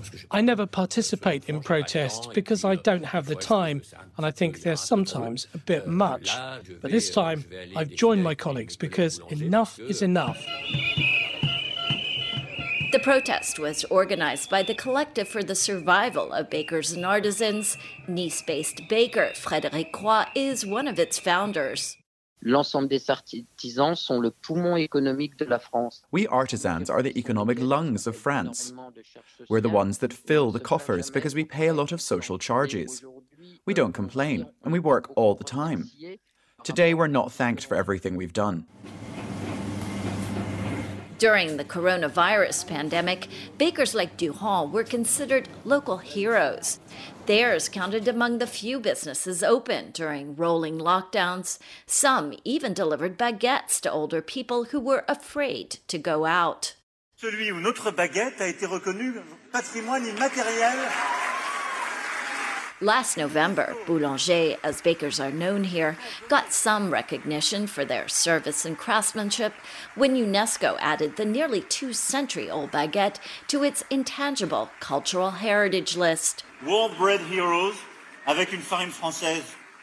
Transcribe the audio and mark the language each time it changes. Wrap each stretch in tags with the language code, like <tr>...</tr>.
<en>I never participate in protests because I don't have the time, and I think they're sometimes a bit much. But this time, I've joined my colleagues because enough is enough. The protest was organized by the Collective for the Survival of Bakers and Artisans. Nice-based baker Frédéric Croix is one of its founders.</en> <fr>L'ensemble des artisans sont le poumon économique de la France.</fr> <en>We artisans are the economic lungs of France. We're the ones that fill the coffers because we pay a lot of social charges. We don't complain and we work all the time. Today we're not thanked for everything we've done. During the coronavirus pandemic, bakers like Duhon were considered local heroes. Theirs counted among the few businesses open during rolling lockdowns. Some even delivered baguettes to older people who were afraid to go out.</en> <fr>Celui ou notre baguette a été reconnu patrimoine immatériel.</fr> <en>Last November, Boulanger, as bakers are known here, got some recognition for their service and craftsmanship when UNESCO added the nearly two-century-old baguette to its intangible cultural heritage list. World bread heroes,</en> <fr>avec une farine française.</fr>